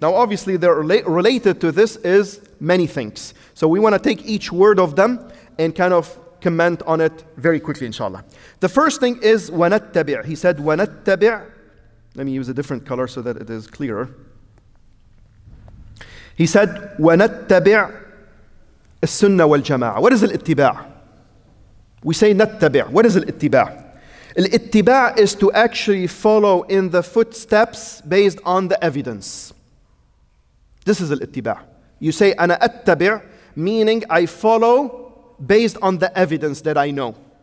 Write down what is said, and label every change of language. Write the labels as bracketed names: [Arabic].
[English] Now obviously they're related to this is many things. So we want to take each word of them and kind of comment on it very quickly, inshallah. The first thing is وَنَتَّبِعْ. He said وَنَتَّبِعْ. Let me use a different color so that it is clearer. He said [Arabic] وَنَتَّبِعْ السُنَّة وَالْجَمَاعَةِ. [English] What is الاتِّبَاعَ? We say نَتَّبِعْ. What is الاتِّبَاعَ? الاتِّبَاعَ is to actually follow in the footsteps based on the evidence. This is الاتِّبَاعَ. You say [Arabic] أنا أتبع, [English] meaning I follow based on the evidence that I know.